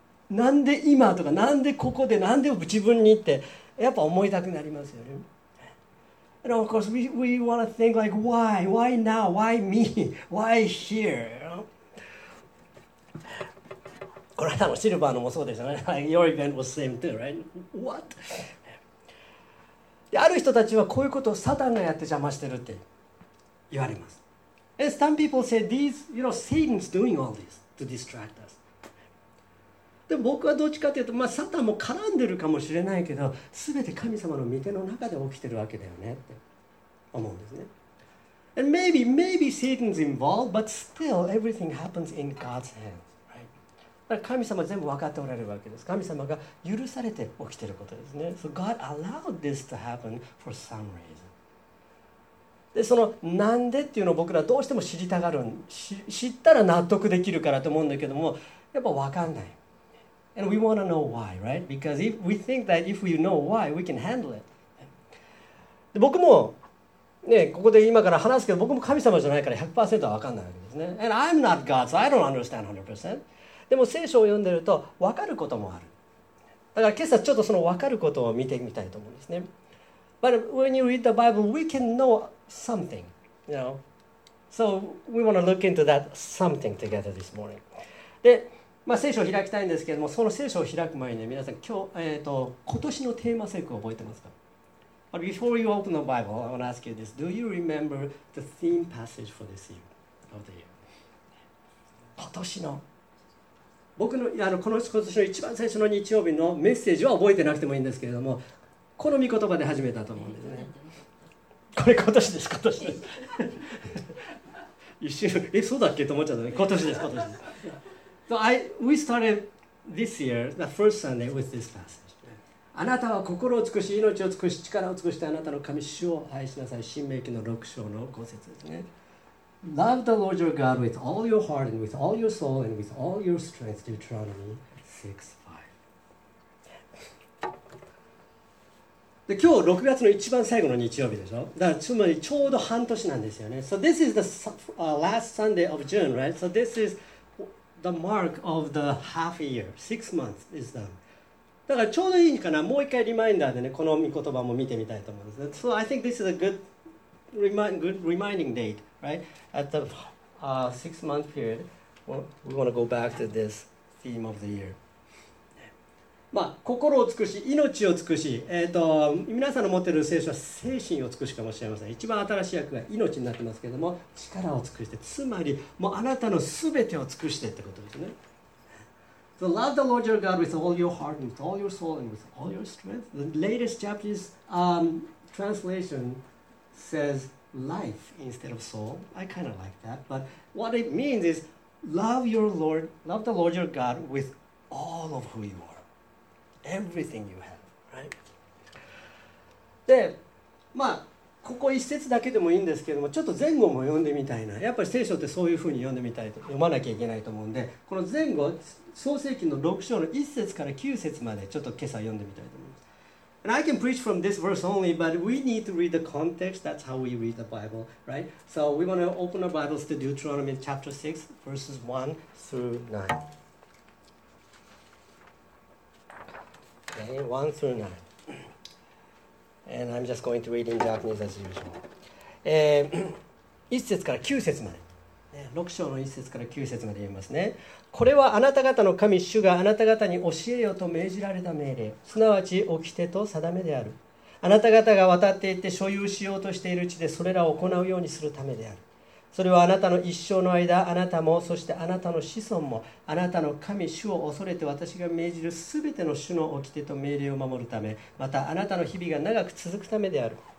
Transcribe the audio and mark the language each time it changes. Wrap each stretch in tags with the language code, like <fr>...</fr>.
<ja>なんで今とか、なんでここで、なんで自分にってやっぱ思いたくなりますよね。</ja> <en>And of course we want to think like, why now? Why me? Why here?</en> <ja>これはシルバーのもそうですよね。</ja> <en>Like、your event was same too, right? What?</en> <ja>ある人たちはこういうことをサタンがやって邪魔してるって言われます。</ja> <en>And some people say, these, you know, Satan's doing all this to distract us.</en> <ja>でも僕はどっちかというと、まあ、サタンも絡んでるかもしれないけど、すべて神様の御手の中で起きてるわけだよねって思うんですね。</ja> <en>And maybe Satan's involved, but still everything happens in God's hands.</en> <ja>だから神様全部分かっておられるわけです。神様が許されて起きていることですね。</ja> <en>So God allowed this to happen for some reason.</en> <ja>で、そのなんでっていうのを僕らどうしても知りたがる。知ったら納得できるからと思うんだけども、やっぱ分かんない。</ja> <en>And we want to know why, right? Because if we think that if we know why, we can handle it.</en> <ja>で、僕も、ね、ここで今から話すけど、僕も神様じゃないから 100% は分かんないわけですね。</ja> <en>And I'm not God, so I don't understand 100%.</en> <ja>でも聖書を読んでると分かることもある。だから今朝ちょっとその分かることを見てみたいと思うんですね。</ja> <en>But when you read the Bible, we can know something, you know. So we want to look into that something together this morning.</en> <ja>で、まあ、聖書を開きたいんですけれども、その聖書を開く前に皆さん今日、今年のテーマ聖句を覚えてますか ？</ja> <en>But before you open the Bible, I want to ask you this: Do you remember the theme passage for this year of the year?</en> <ja>今年の僕の、あの、この今年の一番最初の日曜日のメッセージは覚えてなくてもいいんですけれども、この御言葉で始めたと思うんですね。これ今年です、今年です。一瞬、え、そうだっけと思っちゃったね。今年です、今年です。</ja> <en>So we started This year, the first Sunday was this passage.</en> <ja>あなたは心を尽くし、命を尽くし、力を尽くしてあなたの神主を愛しなさい。申命記の6章の5節ですね。</ja> <en>Love the Lord your God with all your heart and with all your soul and with all your strength. Deuteronomy 6:5.</en> <ja>で、今日6月の一番最後の日曜日でしょ。だからつまりちょうど半年なんですよね。</ja> <en>So this is the last Sunday of June, right? So this is the mark of the half year. 6 months is done.</en> <ja>だからちょうどいいかな、もう一回リマインダーでね、この御言葉も見てみたいと思うんです。</ja> <en>So I think this is a good reminding date, right? At the six-month period, we want to go back to this theme of the year.</en> <ja>まあ、心を尽くし、命を尽くし、皆さんの持っている聖書は精神を尽くしかもしれません。一番新しい訳が命になってますけれども、力を尽くして、つまりもうあなたの全てを尽くしてってことですね。</ja> <en>So love the Lord your God with all your heart and with all your soul and with all your strength. The latest Japanese translation says life instead of soul. I kind of like that. But what it means is love the Lord your God with all of who you are. Everything you have, right?</en> <ja>で、まあ、ここ一節だけでもいいんですけども、ちょっと前後も読んでみたいな。やっぱり聖書ってそういうふうに読んでみたいと、読まなきゃいけないと思うんで、この前後、創世記の6章の1節から9節までちょっと今朝読んでみたいと思います。</ja> <en>And I can preach from this verse only, but we need to read the context. That's how we read the Bible, right? So we want to open our Bibles to Deuteronomy chapter 6, verses 1 through 9. Okay, 1 through 9. And I'm just going to read in Japanese as usual.</en> <ja>1節から9節まで。 6章の1節から9節まで言いますね。これはあなた方の神主があなた方に教えよと命じられた命令、すなわち掟と定めである。あなた方が渡っていって所有しようとしている地でそれらを行うようにするためである。それはあなたの一生の間、あなたも、そしてあなたの子孫も、あなたの神主を恐れて私が命じるすべての主の掟と命令を守るため、またあなたの日々が長く続くためである。</ja>